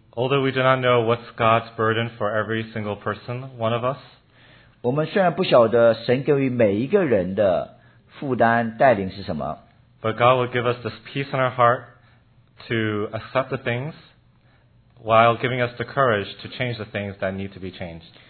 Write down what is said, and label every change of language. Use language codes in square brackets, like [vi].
[en] although we do not know what's God's burden for every single person, one of us. [zh] 我们虽然不晓得神给予每一个人的 [en] But God will give us this peace in our heart to accept the things while giving us the courage to change the things that need to be changed.